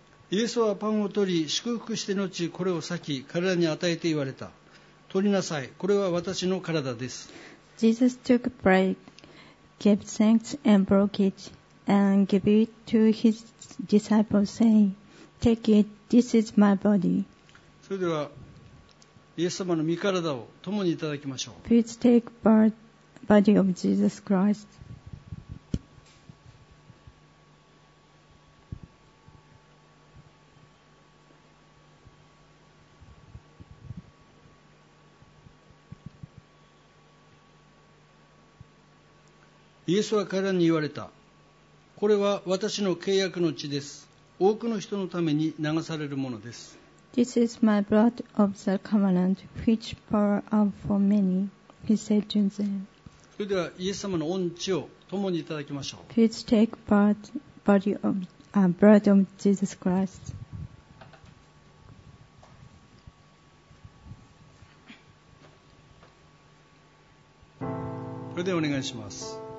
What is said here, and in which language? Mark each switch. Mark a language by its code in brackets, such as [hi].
[ja] イエスはパンを取り、祝福して後これを裂き、彼らに与えて言われた。取りなさい、これは私の体です。 [en] Jesus took bread, gave thanks and broke it, and gave it to his disciples, saying, Take it, this is my body. [ja] それでは、イエス様の御体を共にいただきましょう。 [en] Please take body of Jesus Christ. [ja] イエスは彼らに言われた。これは私の契約の血です。多くの人のために流されるものです。 [en] This is my blood of the covenant, which pours out for many, he said to them. [ja] それではイエス様の御血を共にいただきましょう。 [en] Please take part, body of, blood of Jesus Christ. [ja] それでお願いします。